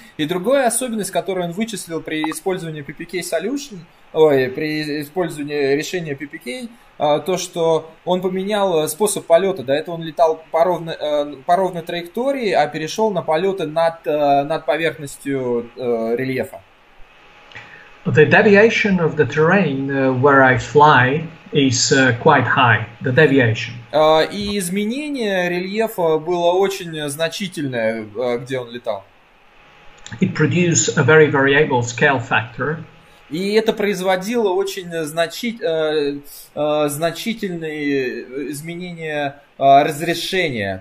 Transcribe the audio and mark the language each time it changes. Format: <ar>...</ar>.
<ru>И другая особенность, которую он вычислил при использовании PPK solution, ой, при использовании решения PPK, то, что он поменял способ полета. До этого он летал по ровной траектории, а перешел на полеты над поверхностью рельефа.</ru> <en>The deviation of the terrain where I fly is quite high. The deviation.</en> <ru>И изменение рельефа было очень значительное, где он летал.</ru> <en>It produced a very variable scale factor.</en> <ru>И это производило очень значительные изменения разрешения.</ru>